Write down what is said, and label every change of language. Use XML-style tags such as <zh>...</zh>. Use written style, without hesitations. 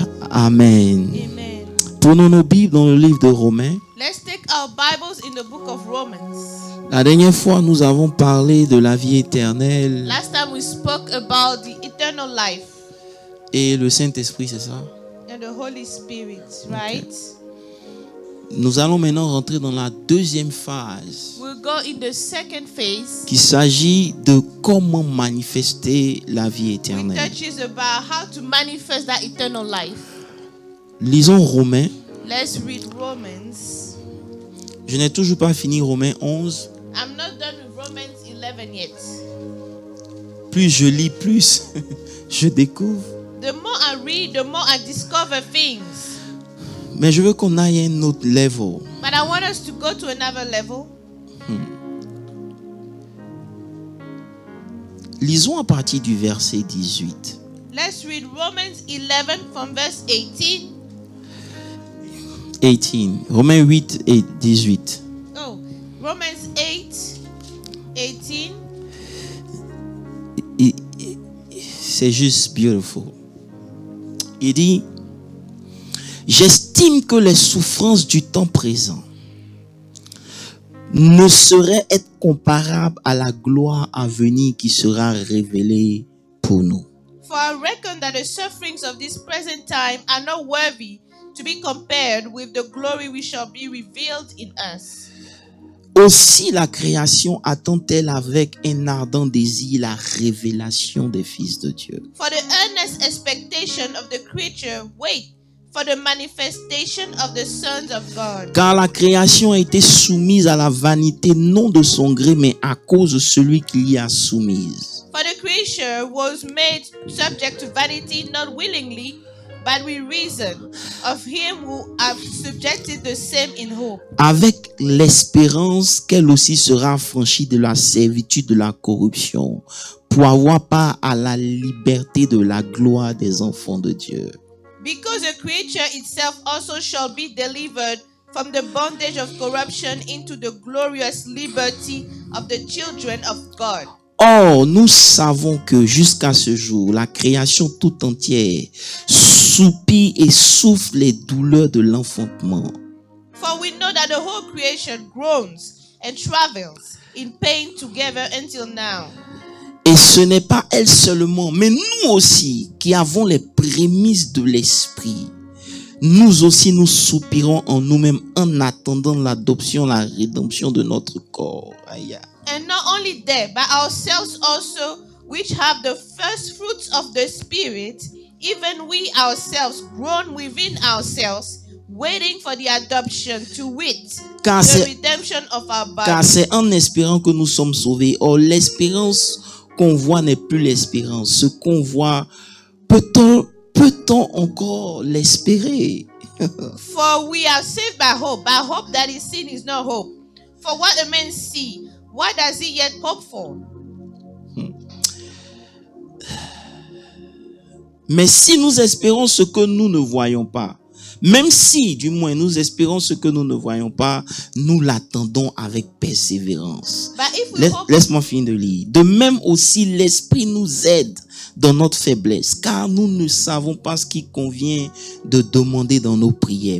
<fr>Amen. Prenons nos Bibles dans le livre de Romains.</fr> <en>Let's take our Bibles in the book of Romans.</en> <fr>La dernière fois, nous avons parlé de la vie éternelle.</fr> <en>Last time we spoke about the eternal life.</en> <fr>Et le Saint-Esprit, c'est ça?</fr> <en>And the Holy Spirit, right? Okay.</en> <fr>Nous allons maintenant rentrer dans la deuxième phase.</fr> <en>We'll go in the second phase.</en> <fr>Qui s'agit de comment manifester la vie éternelle.</fr> <en>We touches about how to manifest that eternal life.</en> <fr>Lisons Romains.</fr> <en>Let's read Romans.</en> <fr>Je n'ai toujours pas fini Romains 11.</fr> <en>I'm not done with Romans 11 yet.</en> <fr>Plus je lis, plus je découvre.</fr> <en>The more I read, the more I discover things.</en> <fr>Mais je veux qu'on aille à un autre level.</fr> <en>But I want us to go to another level.</en> <fr>Lisons à partir du verset 18.</fr> <en>Let's read Romans 11 from verse 18.</en> <fr>Romains 8 et 18.</fr> <en>Oh, Romans 8, 18.</en> <fr>C'est juste beautiful. Il dit, j'estime que les souffrances du temps présent ne seraient être comparables à la gloire à venir qui sera révélée pour nous.</fr> <en>For I reckon that the sufferings of this present time are not worthy to be compared with the glory which shall be revealed in us.</en> <fr>Aussi la création attend-elle avec un ardent désir la révélation des fils de Dieu.</fr> <en>For the earnest expectation of the creature wait for the manifestation of the sons of God.</en> <fr>Car la création a été soumise à la vanité non de son gré mais à cause de celui qui l'y a soumise.</fr> <en>For the creature was made subject to vanity not willingly but with reason of him who have subjected the same in hope.</en> <fr>Avec l'espérance qu'elle aussi sera affranchie de la servitude de la corruption pour avoir part à la liberté de la gloire des enfants de Dieu.</fr> <en>Because the creature itself also shall be delivered from the bondage of corruption into the glorious liberty of the children of God.</en> <fr>Or, nous savons que jusqu'à ce jour, la création tout entière soupire et souffre les douleurs de l'enfantement.</fr> <en>For we know that the whole creation groans and travels in pain together until now.</en> <fr>Et ce n'est pas elle seulement, mais nous aussi qui avons les prémices de l'Esprit. Nous aussi nous soupirons en nous-mêmes en attendant l'adoption, la rédemption de notre corps. Aïe.</fr> <en>And not only there, but ourselves also, which have the first fruits of the Spirit, even we ourselves, grown within ourselves, waiting for the adoption to wit, the redemption of our bodies.</en> <fr>Car c'est en espérant que nous sommes sauvés. Or, l'espérance qu'on voit n'est plus l'espérance. Ce qu'on voit, peut-on encore l'espérer?</fr> <en>For we are saved by hope, but hope that is seen is not hope. For what a man sees, what does he yet hope for?</en> <fr>Mais si nous espérons ce que nous ne voyons pas, même si, du moins, nous espérons ce que nous ne voyons pas, nous l'attendons avec persévérance. Laisse-moi finir de lire. De même aussi, l'Esprit nous aide dans notre faiblesse, car nous ne savons pas ce qu'il convient de demander dans nos prières.</fr>